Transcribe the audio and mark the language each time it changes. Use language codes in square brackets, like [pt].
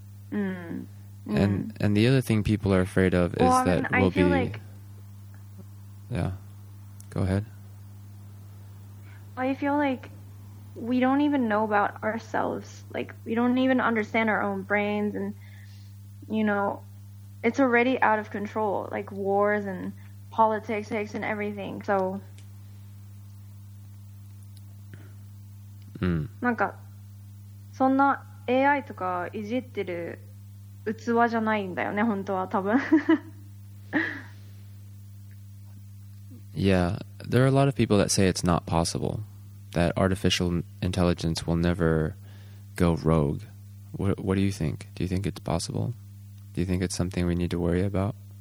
[en] And the other thing people are afraid of is go ahead. I feel like we don't even know about ourselves. Like we don't even understand our own brains, and you know. It's already out of control, like wars and politics and everything. [ja] So, なんかそんな AI とかいじってる器じゃないんだよね、本当は多分。 [en] Yeah, there are a lot of people that say it's not possible, that artificial intelligence will never go rogue. What do you think? Do you think it's possible? Do you think it's something we need to worry about?